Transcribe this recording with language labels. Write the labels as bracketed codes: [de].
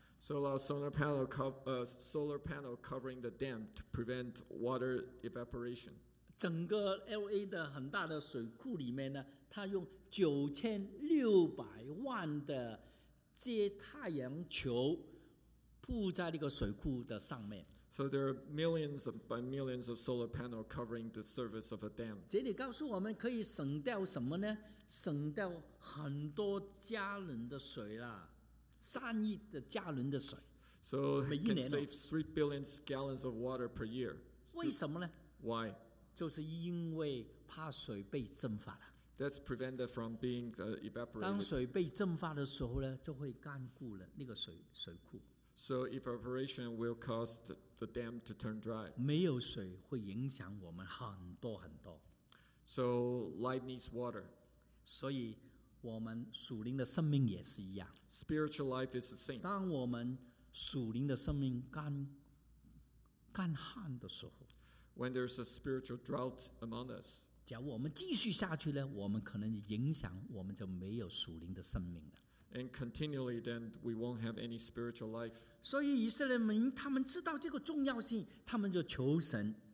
[en] So a solar panel covering the dam to prevent water evaporation. [zh] 整个 LA 的很大的水库里面呢，它用9600万的接太阳球铺在那个水库的上面。 [en] So there are millions by millions of solar panels covering the surface of a dam. [zh] 这里告诉我们可以省掉什么呢？省掉很多加仑的水啦，3亿的加仑的水。 [en] So can save 3 billion gallons of water per year. [zh] 为什么呢 [en] ？Why? [zh] 就是因为怕水被蒸发了。 [en] That's prevented from being evaporated. [zh] 当水被蒸发的时候呢，就会干固了那个水库。 [en] So evaporation will cause the dam to turn dry. [zh] 没有水会影响我们很多很多。 [en] So life needs water. [zh] 所以我们属灵的生命也是一样。 [en] Spiritual life is the same. [zh] 当我们属灵的生命干旱的时候 [en] ，When there's a spiritual drought among us. [zh] 假如我们继续下去呢，我们可能影响我们就没有属灵的生命了。 [en] And continually, then we won't have any spiritual life. [zh] 所以以色列民他们知道这个重要性，他们就求神。